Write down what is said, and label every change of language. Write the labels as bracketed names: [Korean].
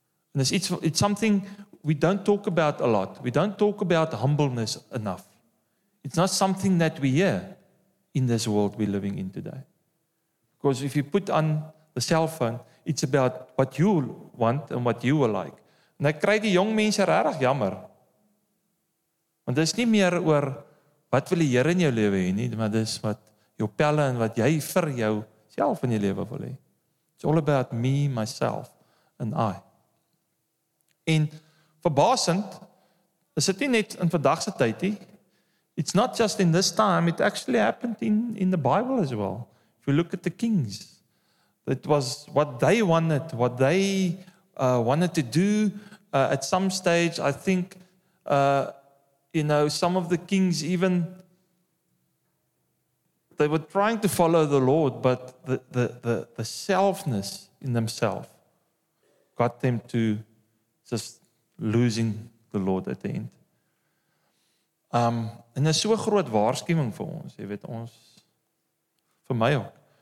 [Afrikaans] En is iets, [English] it's something we don't talk about a lot. We don't talk about humbleness enough. It's not something that we hear in this world we're living in today. Because if you put on the cell phone, it's about what you want and what you will like. [Afrikaans] En ek kry die jong mense regtig jammer. Want dit is nie meer oor wat wil die Here in jou lewe hê nie, maar dis wat jou pelle en wat jy vir jou self in jou lewe wil hê. [English] It's all about me, myself and I. [Afrikaans] En verbasend, is dit nie net in vandag se tyd nie. [English] It's not just in this time, it actually happened in the Bible as well. If you look at the kings, it was what they wanted to do at some stage. I think, some of the kings even, they were trying to follow the Lord, but the selfness in themselves got them to just losing the Lord at the end. [Afrikaans] En dit is so 'n groot waarskuwing vir ons, jy weet, ons, vir my ook.